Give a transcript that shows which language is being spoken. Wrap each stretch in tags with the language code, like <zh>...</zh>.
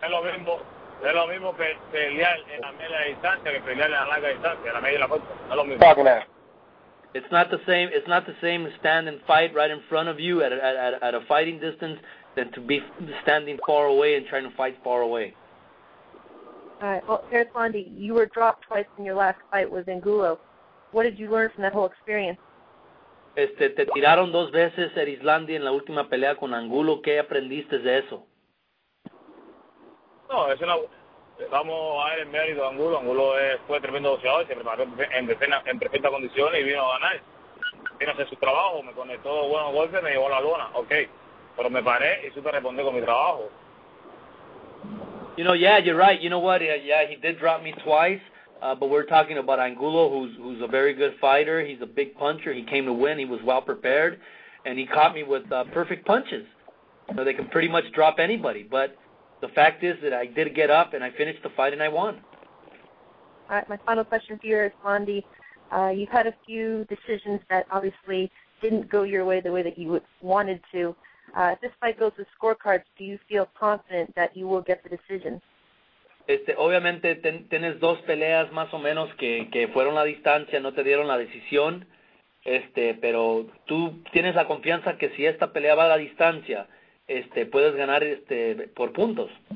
<es>Es lo mismo que pelear en la media distancia que pelear en la larga distancia, en la media de la puerta. Es lo mismo.</es> <en>Talking about. It's not the same to stand and fight right in front of you at a fighting distance than to be standing far away and trying to fight far away. All right. Well, Eric Bondi, you were dropped twice in your last fight with Angulo. What did you learn from that whole experience?</en> <es>Te tiraron dos veces, Eric Bondi, en la última pelea con Angulo. ¿Qué aprendiste de eso? No, eso no. Vamos a ver el mérito de Angulo. Angulo fue tremendo boxeador, se preparó en perfecta condición y vino a ganar. Vino a hacer su trabajo, me conectó buenos golpes, me llevó a la lona. Okay. Pero me paré y supe responder con mi trabajo.</es> <en>You know, yeah, you're right. You know what? Yeah, he did drop me twice, but we're talking about Angulo, who's a very good fighter. He's a big puncher. He came to win. He was well-prepared, and he caught me with perfect punches. You know, they can pretty much drop anybody, but the fact is that I did get up, and I finished the fight, and I won. All right, my final question for you is, Bondi, you've had a few decisions that obviously didn't go your way the way that you wanted to. If this fight goes to scorecards, do you feel confident that you will get the decision?</en> <es>Obviamente, tienes dos peleas más o menos que fueron la distancia, no te dieron la decisión. Pero tú tienes la confianza que si esta pelea va a la distancia, puedes ganar por puntos.</es>